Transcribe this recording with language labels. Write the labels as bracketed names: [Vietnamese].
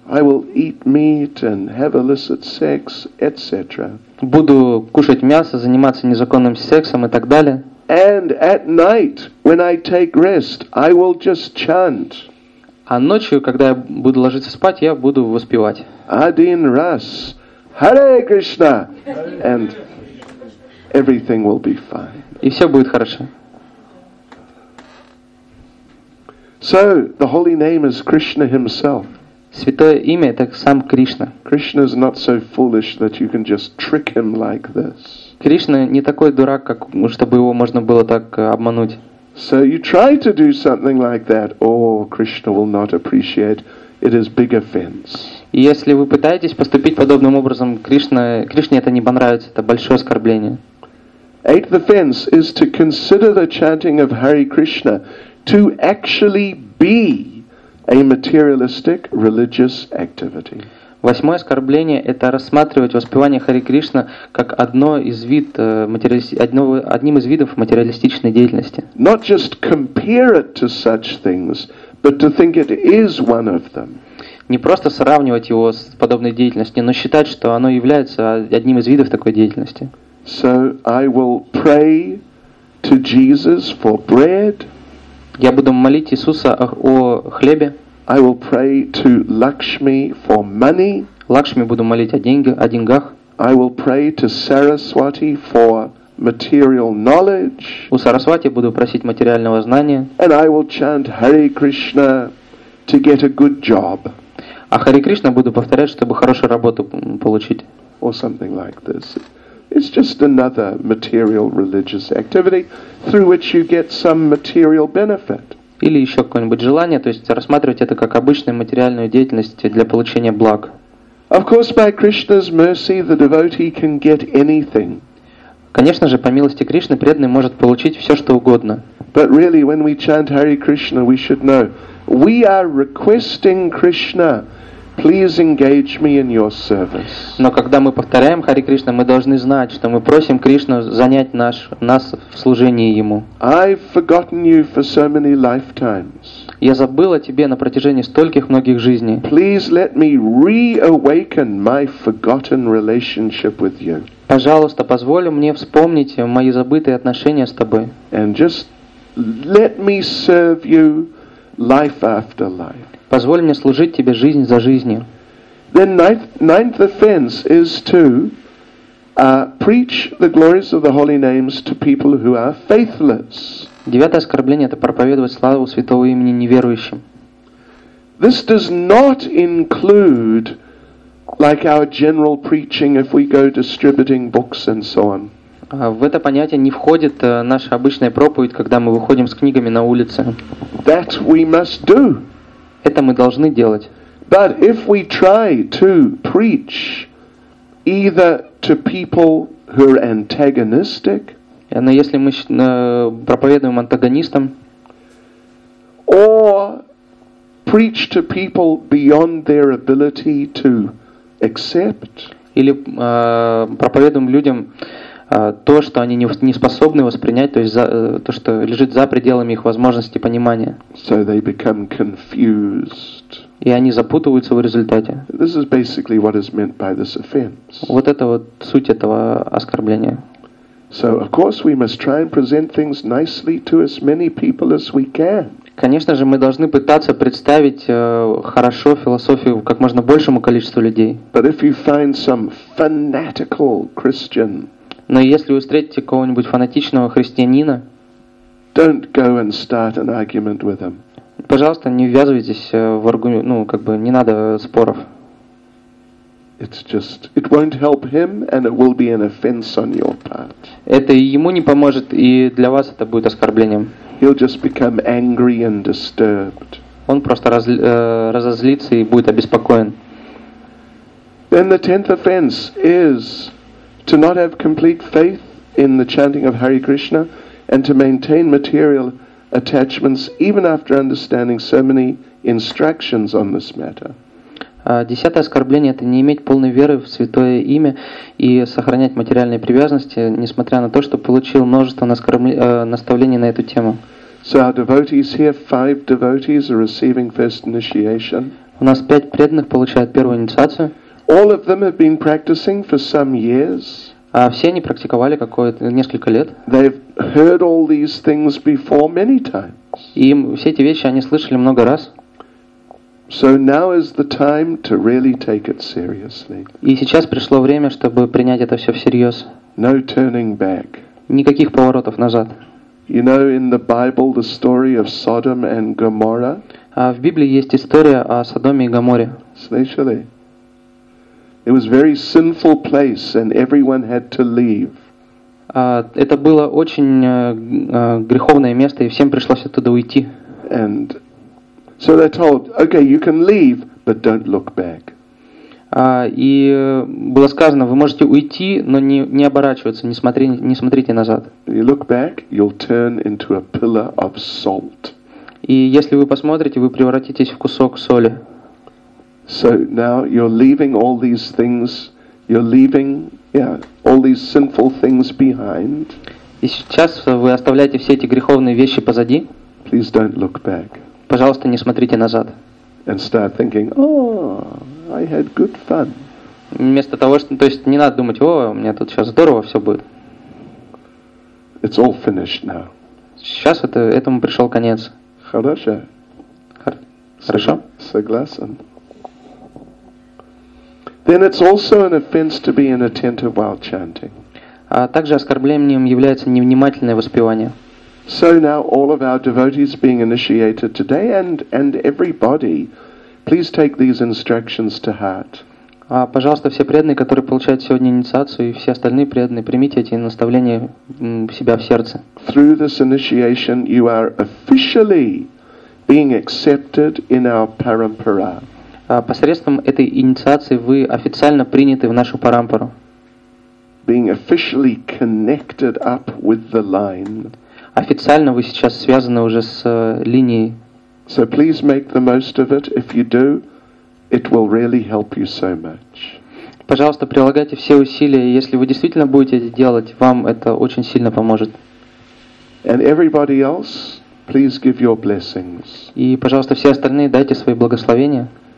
[English] I will eat meat and have illicit sex, etc. [Russian] Буду кушать мясо, заниматься незаконным сексом и так далее. [English] And at night, when I take rest, I will just chant. [Russian] А ночью, когда я буду ложиться спать, я буду воспевать. Один раз. [English] Hare Krishna! And everything will be fine. [Russian] И все будет хорошо. [English] So, the holy name is Krishna himself. [Russian] Святое имя – это сам Кришна. [English] Krishna is not so foolish that you can just trick him like this. [Russian] Кришна не такой дурак, как, чтобы его можно было так обмануть. [English] So you try to do something like that, Krishna will not appreciate. It is big offense. [Russian] Если вы пытаетесь поступить подобным образом, Кришне это не понравится, это большое оскорбление. [English] Eighth offense is to consider the chanting of Hare Krishna to actually be a materialistic religious activity. [Russian] Восьмое оскорбление – это рассматривать воспевание Хари Кришна как одним из видов материалистичной деятельности. [English] Not just compare it to such things, but to think it is one of them. [Russian] Не просто сравнивать его с подобной деятельностью, но считать, что оно является одним из видов такой деятельности. [English] So I will pray to Jesus for bread. [Russian] Я буду молить Иисуса о хлебе. [English] I will pray to Lakshmi for money. [Russian] Лакшми буду молить о деньгах. [English] I will pray to Saraswati for material knowledge. [Russian] У Сарасвати буду просить материального знания. [English] And I will chant Hare Krishna to get a good job. [Russian] А Хари Кришна буду повторять, чтобы хорошую работу получить. [English] Or something like this. It's just another material religious activity through which you get some material benefit. [Russian] Или еще какое-нибудь желание, то есть рассматривать это как обычную материальную деятельность для получения благ. [English] Of course, by Krishna's mercy, the devotee can get anything. [Russian] Конечно же, по милости Кришны, преданный может получить все, что угодно. [English] But really, when we chant Hare Krishna, we should know. We are requesting Krishna, please engage me in your service. [Russian] Но когда мы повторяем Хари Кришна, мы должны знать, что мы просим Кришну занять нас в служении Ему. [English] I've forgotten you for so many lifetimes. [Russian] Я забыл о тебе на протяжении стольких многих жизней. [English] Please let me reawaken my forgotten relationship with you. [Russian] Пожалуйста, позволь мне вспомнить мои забытые отношения с тобой. [English] And just let me serve you life after life. [Russian] Позволь мне служить тебе жизнь за жизнью. [English] Then ninth offense is to preach the glories of the holy names to people who are faithless. [Russian] Девятое оскорбление – это проповедовать славу святого имени неверующим. [English] This does not include like our general preaching if we go distributing books and so on. [Russian] В это понятие не входит наша обычная проповедь, когда мы выходим с книгами на улице. [English] That we must do. [Russian] Это мы должны делать. [English] But if we try to preach either to people who are antagonistic, [Russian] но если мы проповедуем антагонистам, [English] or preach to people beyond their ability to accept, [Russian] или проповедуем людям то, что они не способны воспринять, то есть то, что лежит за пределами их возможности понимания. [English] So they become confused. [Russian] И они запутываются в результате. [English] This is basically what is meant by this offense. [Russian] Вот это вот суть этого оскорбления. [English] So of course we must try and present things nicely to as many people as we can. [Russian] Конечно же, мы должны пытаться представить хорошо философию как можно большему количеству людей. [English] But if you find some fanatical Christian, [Russian] но если вы встретите какого-нибудь фанатичного христианина, [English] don't go and start an argument with him. [Russian] Пожалуйста, не ввязывайтесь в аргумент, не надо споров. [English] It won't help him, and it will be an offense on your part. [Russian] Это и ему не поможет, и для вас это будет оскорблением. [English] He'll just become angry and disturbed. [Russian] Он просто разозлится и будет обеспокоен. [English] Then the tenth offense is to not have complete faith in the chanting of Hare Krishna and to maintain material attachments even after understanding so many instructions on this matter. [Russian] Десятое оскорбление – это не иметь полной веры в святое имя и сохранять материальные привязанности, несмотря на то, что получил множество наставлений на эту тему. [English] So our devotees here, five devotees are receiving first initiation. [Russian] У нас пять преданных получают первую инициацию. [English] All of them have been practicing for some years. [Russian] А все они практиковали какое-то несколько лет. [English] They've heard all these things before many times. [Russian] И все эти вещи они слышали много раз. [English] So now is the time to really take it seriously. [Russian] И сейчас пришло время, чтобы принять это все всерьез. [English] No turning back. [Russian] Никаких поворотов назад. [English] You know, in the Bible, the story of Sodom and Gomorrah. [Russian] А в Библии есть история о Содоме и Гоморре. Слышали? [English] It was a very sinful place, and everyone had to leave. [Russian] Это было очень греховное место, и всем пришлось оттуда уйти. [English] And so they're told, okay, you can leave, but don't look back. [Russian] И было сказано, вы можете уйти, но не оборачиваться, не смотрите назад. [English] You look back, you'll turn into a pillar of salt. [Russian] И если вы посмотрите, вы превратитесь в кусок соли. [English] So now you're leaving all these things, you're leaving, all these sinful things behind. [Russian] И сейчас вы оставляете все эти греховные вещи позади. [English] Please don't look back. [Russian] Пожалуйста, не смотрите назад. [English] And start thinking, oh, I had good fun. [Russian] Вместо того, что, то есть, не надо думать, о, у меня тут сейчас здорово все будет. [English] It's all finished now. [Russian] Сейчас этому пришел конец. Хорошо. Хорошо. Согласен. [English] Then it's also an offense to be inattentive while chanting. [Russian] А также оскорблением является невнимательное воспевание. [English] So now all of our devotees being initiated today and everybody, please take these instructions to heart. [Russian] А пожалуйста, все преданные, которые получают сегодня инициацию, и все остальные преданные, примите эти наставления себя в сердце. [English] Through this initiation you are officially being accepted in our parampara. [Russian] Посредством этой инициации вы официально приняты в нашу парампару. [English] Being officially connected up with the line. [Russian] Официально вы сейчас связаны уже с линией. [English] So please make the most of it. If you do, it will really help you so much. [Russian] Пожалуйста, прилагайте все усилия. Если вы действительно будете это делать, вам это очень сильно поможет. [English] And everybody else, please give your blessings. [Russian] И, пожалуйста, все остальные дайте свои благословения.